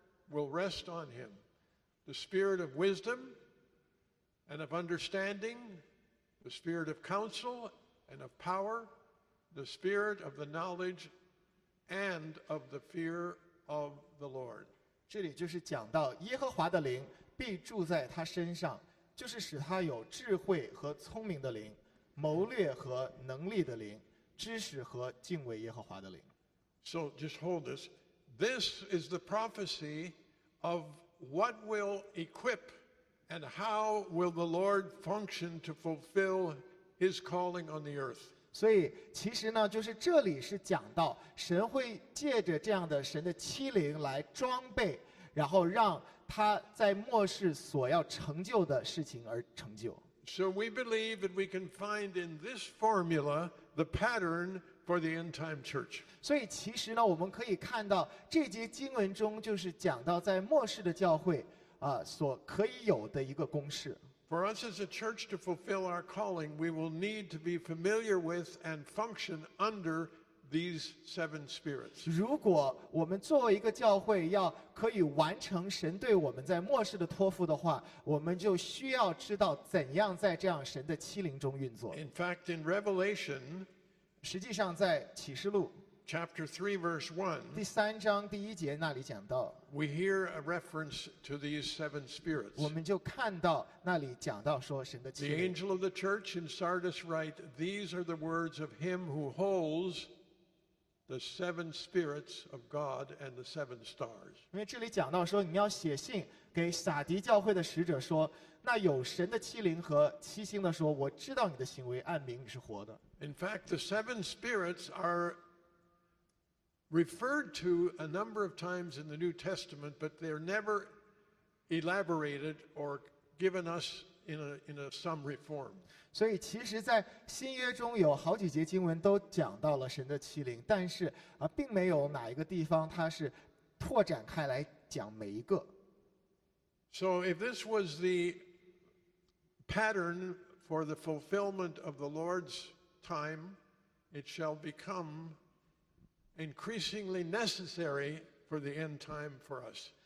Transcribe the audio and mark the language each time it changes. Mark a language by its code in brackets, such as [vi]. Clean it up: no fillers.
[en] Will rest on him the spirit of wisdom and of understanding, the spirit of counsel and of power, the spirit of the knowledge and of the fear of the Lord. [zh] 这里就是讲到耶和华的灵必住在他身上，就是使他有智慧和聪明的灵，谋略和能力的灵，知识和敬畏耶和华的灵。 [en] So just hold this. This is the prophecy. Of what will equip and how will the Lord function to fulfill his calling on the earth. [zh] 所以其实呢，就是这里是讲到神会借着这样的神的七灵来装备，然后让他在末世所要成就的事情而成就。 [en] So we believe that we can find in this formula the pattern for the end time church. [zh] 所以其实呢，我们可以看到这节经文中就是讲到在末世的教会啊，所可以有的一个公式。 [en] For us as a church to fulfill our calling, we will need to be familiar with and function under these seven spirits. [zh] 如果我们作为一个教会要可以完成神对我们在末世的托付的话，我们就需要知道怎样在这样神的七灵中运作。 [en] In fact, in Revelation, [zh] 实际上在启示录 [en] chapter 3 verse 1, [zh] 第三章第一节那里讲到， [en] we hear a reference to these seven spirits. [zh] 我们就看到那里讲到说神的七灵。 [en] The angel of the church in Sardis write, these are the words of him who holds the seven spirits of God and the seven stars. [zh] 因为这里讲到说你要写信给撒迪教会的使者说，那有神的七灵和七星的说，我知道你的行为，按明你是活的。 [en] In fact, the seven spirits are referred to a number of times in the New Testament, but they're never elaborated or given us in a summary form. [zh] 所以其实在新约中有好几节经文都讲到了神的七灵，但是啊，并没有哪一个地方它是拓展开来讲每一个。 [en] So if this was the pattern for the fulfillment of the Lord's time, it shall become increasingly necessary for the end time for us.